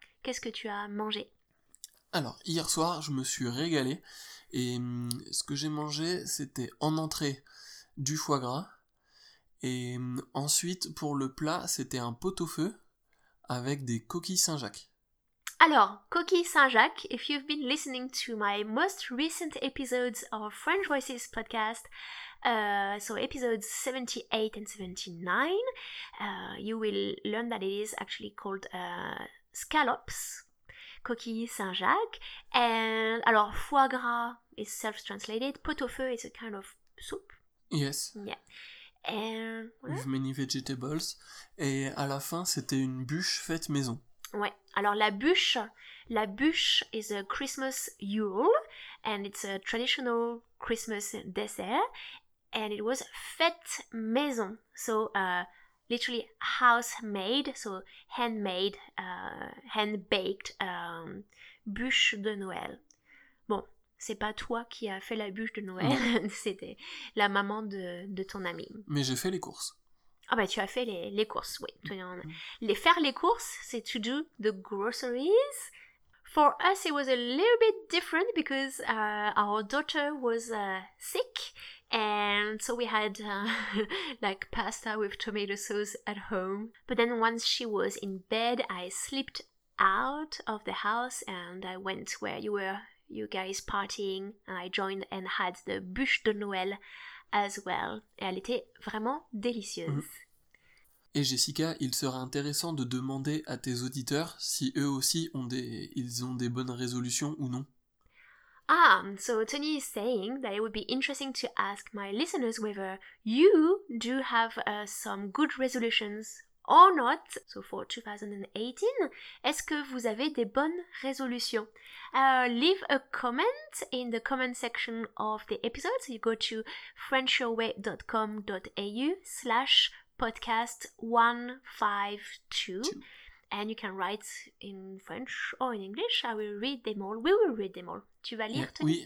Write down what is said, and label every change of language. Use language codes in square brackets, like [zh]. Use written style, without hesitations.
[fr] Qu'est-ce que tu as mangé? Alors, hier soir, je me suis régalé, et ce que j'ai mangé, c'était en entrée... du foie gras, et ensuite, pour le plat, c'était un pot-au-feu avec des coquilles Saint-Jacques. [en] Alors, coquilles Saint-Jacques, if you've been listening to my most recent episodes of French Voices podcast, so episodes 78 and 79, you will learn that it is actually called scallops, coquilles Saint-Jacques, and, alors, foie gras is self-translated, pot-au-feu is a kind of soup. Yes. Yeah. And, voilà. With many vegetables. [fr] Et à la fin, c'était une bûche faite maison. Ouais. [en] Alors la bûche is a Christmas Yule, and it's a traditional Christmas dessert, and it was faite maison. So, literally house made, so handmade, hand baked, bûche de Noël. Bon. [fr] C'est pas toi qui as fait la bûche de Noël, c'était la maman de ton ami. Mais j'ai fait les courses. Ah bah tu as fait les courses, oui. [en] Mm-hmm. [fr] Faire les courses, [en] c'est to do the groceries. For us, it was a little bit different because our daughter was sick. And so we had like pasta with tomato sauce at home. But then once she was in bed, I slipped out of the house and I went where you were. You guys partying, I joined and had the bûche de Noël as well. [fr] Et elle était vraiment délicieuse. [en] Mmh. [fr] Et Jessica, il sera intéressant de demander à tes auditeurs si eux aussi ont des bonnes résolutions ou non. [en] Ah, so Tony is saying that it would be interesting to ask my listeners whether you do have some good resolutions or not. So for 2018, [fr] est-ce que vous avez des bonnes résolutions? [en] Leave a comment in the comment section of the episode. So you go to frenchyourway.com.au/podcast152. And you can write in French or in English. I will read them all. We will read them all. [fr] Tu vas lire, Tony?